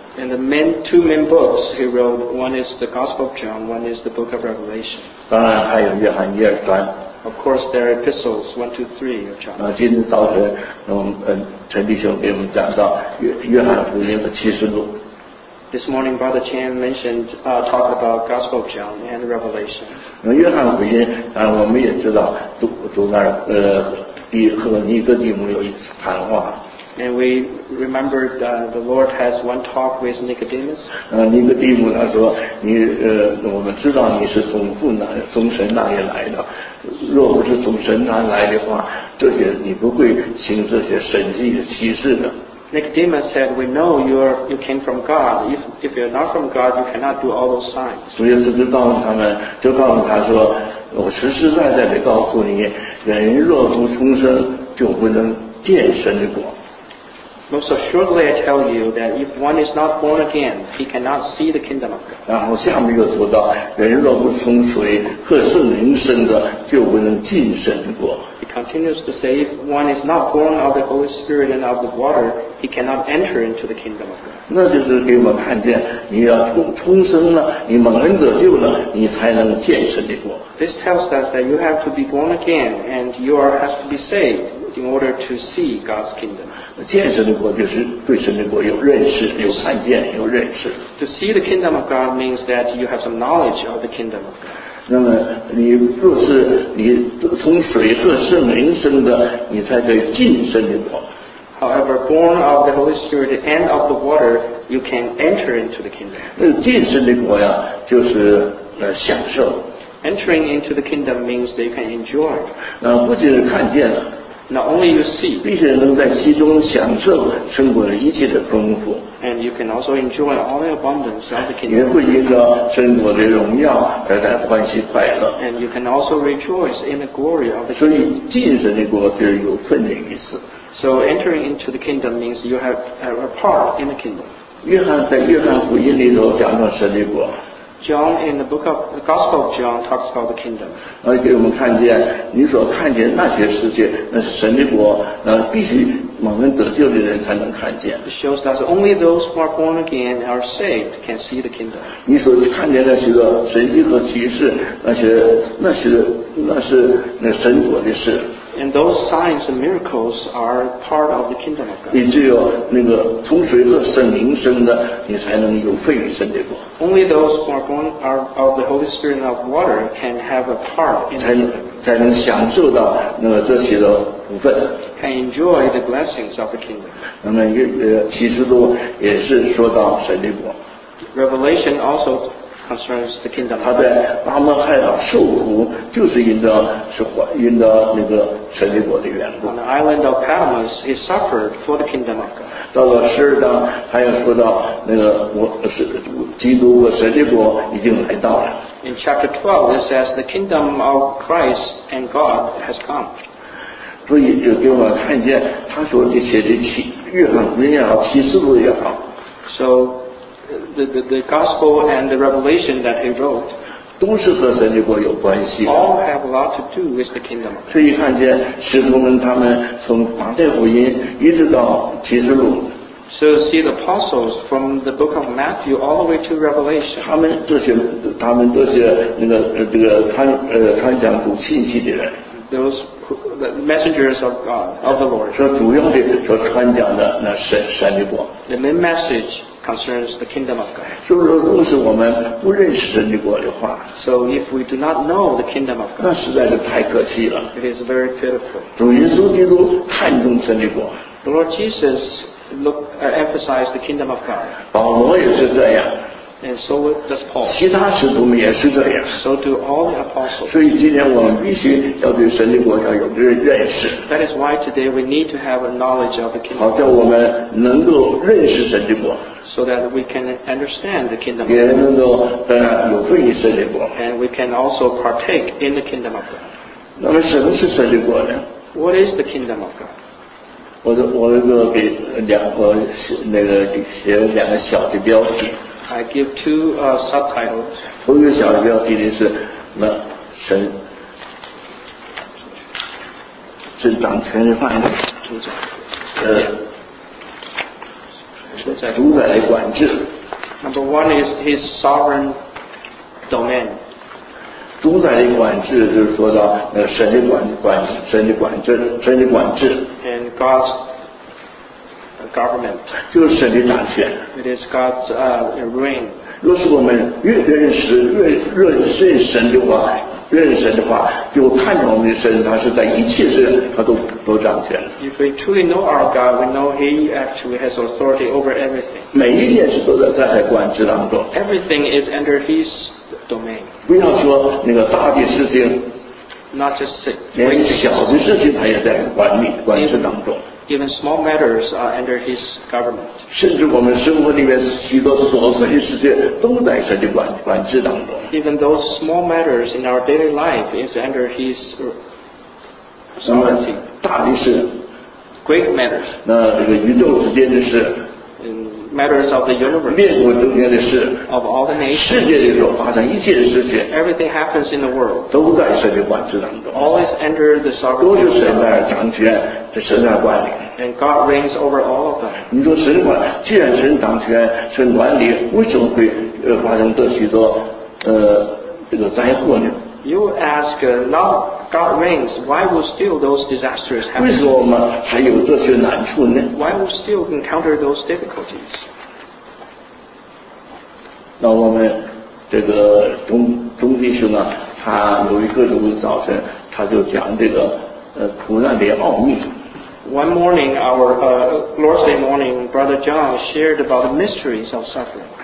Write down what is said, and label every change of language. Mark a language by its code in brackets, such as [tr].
[en] And the main two main books he wrote, one is the Gospel of John, one is the Book of Revelation. [zh] 当然还有约翰一二章。 [en] Of course, there are epistles 1-3 of John. [zh] 今天早晨，陈弟兄给我们讲到约翰福音和启示录。 [en] This morning, Brother Chan mentioned talk about Gospel of John and Revelation. [zh] 约翰福音，我们也知道，读那和尼哥底母有一次谈话。 [en] And we remembered the Lord has one talk with Nicodemus. [zh] Nicodemus, 他说你我们知道你是从神那里来的，若不是从神那来的话，这些你不会行这些神迹的奇事的。 [en] Nicodemus said, "We know you came from God. If you're not from God, you cannot do all those signs." [zh] 所以耶稣告诉他们，就告诉他说，我实实在在的告诉你，人若不重生，就不能见神的国。 [en] Most assuredly, I tell you that if one is not born again, he cannot see the kingdom of God. [zh] 然后下面又读到，人若不从水和圣灵生的，就不能进神国。 [en] He continues to say, if one is not born of the Holy Spirit and of the water, he cannot enter into the kingdom of God. [zh] 那就是给我们看见，你要重生了，你蒙恩得救了，你才能见神的国。 [en] This tells us that you have to be born again and you have to be saved. In order to see God's kingdom, [zh] 见神的国就是对神的国有认识、有看见、有认识。 [en] To see the kingdom of God means that you have some knowledge of the kingdom of God. [zh] 那么你若是你从水和圣灵生的，你才可以进神的国。 [en] However, born of the Holy Spirit and of the water, you can enter into the kingdom. [zh] 进神的国呀，就是享受。 [en] Entering into the kingdom means that you can enjoy. [zh] 那不仅是看见了。 [en] Not only you see, [zh] 并且能在其中享受生活的一切的丰富 [en] ，and you can also enjoy all the abundance of the kingdom. [zh] 也会因着生活的荣耀而在欢喜快乐 [en] ，and you can also rejoice in the glory of the kingdom. [zh] 所以进神的国就是有份的意思。 [en] So entering into the kingdom means you have a part in the kingdom. [zh] 约翰在约翰福音里头讲到神的国。 [en] John in the book of the Gospel of John talks about the kingdom. [zh] 给我们看见你所看见那些世界，那是神的国，那必须蒙恩得救的人才能看见。 [en] It shows that only those who are born again and are saved can see the kingdom. [zh] 你所看见那些个神迹和奇事，那是那神国的事。 [en] And those signs and miracles are part of the kingdom of God. [zh] 你只有那个从水和圣灵生的，你才能有份于神的国。 [en] Only those who are born of the Holy Spirit and of water can have a part in the kingdom. [zh] 才能享受到那个这些的福分。 [en] Can enjoy the blessings of the kingdom. [zh] 那么启示录也是说到神的国。 [en] Revelation also. Concerns the kingdom. [zh] 他在拉摩海岛受苦，就是因着那个神的国的缘故。 [en] On the island of Patmos, he suffered for the kingdom of God. [zh] 到了十二章，他又说到那个基督和神的国已经来到了。 [en] In chapter 12, it says the kingdom of Christ and God has come. [zh] 所以就给我们看见他所写的约翰福音也好，启示录也好。 [en] So. The gospel and the revelation that he wrote, [zh] 都是和神的国有关系的。 [en] All have a lot to do with the kingdom. [zh] 所以看见使徒们他们从马太福音一直到启示录。 [en] So see the apostles from the book of Matthew all the way to Revelation. [zh] 他们这些传讲读信息的人。 [en] Those the messengers of God of the Lord. [zh] 说主要的所传讲的那神的国。 [en] The main message. concerns the kingdom of God. [zh] 就是说，若是我们不认识神的国的话 [en] ，So if we do not know the kingdom of God， [zh] 那实在是太可惜了。 [en] It is very pitiful. [zh] 主耶稣基督看重神的国。 [en] The Lord Jesus emphasized the kingdom of God. [zh] 保罗也是这样。 [en] And so does Paul. [zh] 其他使徒们也是这样。 [en] So do all the apostles. [zh] 所以今天我们必须要对神的国要有这个认识。 [en] That is why today we need to have a knowledge of the kingdom. [zh] 好像我们能够认识神的国。 [en] So that we can understand the kingdom. [zh] 也能够有份于神的国。 [en] And we can also partake in the kingdom of God. [zh] 那么什么是神的国呢 [en] ？What is the kingdom of God？ [zh] 我那个给两个那个写了两个小的标题。 [en] I give two subtitles. [zh] 头一个小的标题呢是那神执掌权的范围。主宰。主宰的管制。 [en] Number one is his sovereign domain. [zh] 主宰的管制就是说到那神的管神的管制神的管制。 [en] And God's government. [zh] 就是神的掌权。 [en] It is God's reign. [zh] 若是我们越认识越认识神的话，认识神的话，就看见我们的神，他是在一切事他都掌权。 [en] If we truly know our God, we know He actually has authority over everything. [zh] 每一件事都在他的管制当中。 [en] Everything is under His domain. [zh] 不要说那个大的事情。 [en] Not just sick. [zh] 连小的事情他也在管制当中。 [en] Even small matters are under His government. [zh] 甚至我们生活里面许多琐碎的事情都在神的管制当中。 [en] Even those small matters in our daily life is under His sovereignty. [zh] 大的事。 [en] Great matters. [zh] 那这个宇宙之间的事。 [en] Matters of the universe. [zh] 万物中间的事。 [en] Of all the nations. [zh] 世界里所发生一切的事情。 [en] Everything happens in the world. [zh] 都在神的管制当中。 [en] All is under the sovereignty. [zh] 都是神在掌权。这神在管理。 [en] And God reigns over all of them. [zh] 你说神管，既然神掌权、神管理，为什么会发生这许多这个灾祸呢 [en] ？You ask, now God reigns, why will still those disasters happen? [zh] 为什么我们还有这些难处呢 [en] ？Why will still encounter those difficulties? [zh] 那我们这个钟弟兄啊，他有一个周日早晨，他就讲这个苦难的奥秘。 [en] One morning, our Lord's Day morning, Brother John shared about the mysteries of suffering.